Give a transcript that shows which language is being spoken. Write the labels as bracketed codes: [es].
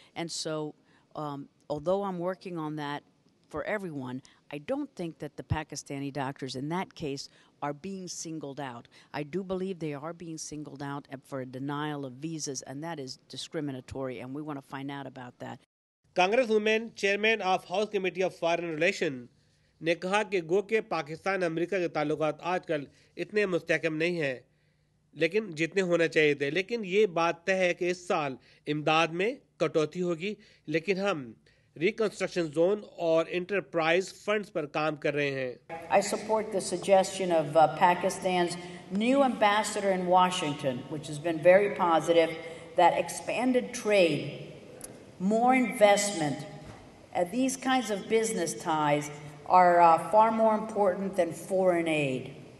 [en] And so although I'm working on that for everyone, I don't think that the Pakistani doctors in that case are being singled out. I do believe they are being singled out for a denial of visas, and that is discriminatory, and we want to find out about that. Congresswoman, Chairman of House Committee of Foreign Relations, [ur] نے کہا کہ گو کہ پاکستان امریکہ کے تعلقات آج کل اتنے مستحکم نہیں ہیں لیکن جتنے ہونا چاہیے تھے, لیکن یہ بات طے ہے کہ اس سال امداد میں کٹوتی ہوگی, لیکن ہم ریکنسٹرکشن زون اور انٹرپرائز فنڈز پر کام کر رہے ہیں. [en] I support the suggestion of Pakistan's new ambassador in Washington, which has been very positive, that expanded trade, more investment, these kinds of business ties are far more important than foreign aid.